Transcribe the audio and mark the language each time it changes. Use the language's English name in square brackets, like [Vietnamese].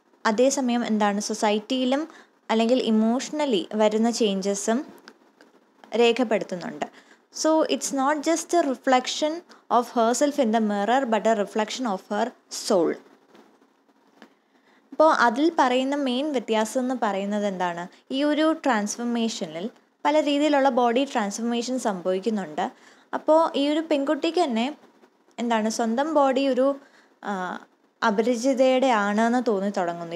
[Malayalam] അതേസമയം എന്താണ് സൊസൈറ്റിയിലും അല്ലെങ്കിൽ ഇമോഷണലി വരുന്ന ചേഞ്ചസും രേഖപ്പെടുത്തുന്നുണ്ട്. [English] So it's not just a reflection of herself in the mirror, but a reflection of her soul. [Malayalam] അപ്പോൾ അതിൽ പറയുന്ന മെയിൻ വ്യത്യാസം എന്ന് പറയുന്നത് എന്താണ്, ഈ ഒരു ട്രാൻസ്ഫോർമേഷനിൽ പല രീതിയിലുള്ള ബോഡി ട്രാൻസ്ഫോർമേഷൻ സംഭവിക്കുന്നുണ്ട്. അപ്പോൾ ഈ ഒരു പെൺകുട്ടിക്ക് തന്നെ എന്താണ് സ്വന്തം ബോഡി ഒരു അപരിചിതയുടെ ആണെന്ന് തോന്നി തുടങ്ങുന്നു.